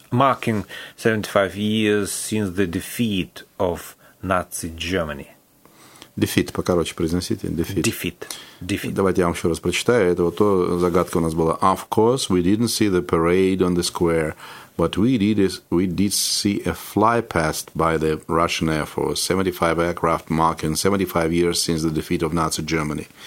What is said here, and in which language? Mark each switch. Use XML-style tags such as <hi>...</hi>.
<en>Marking 75 years since the defeat of Nazi Germany.</en> <ru>Defeat, покороче произносите. Defeat.</ru> <en>Defeat. Defeat.</en> <ru>Давайте я вам еще раз прочитаю. Это вот то загадка у нас была.</ru> <en>Of course, we didn't see the parade on the square, but we did see a flypast by the Russian Air Force. 75 aircraft marking 75 years since the defeat of Nazi Germany.</en>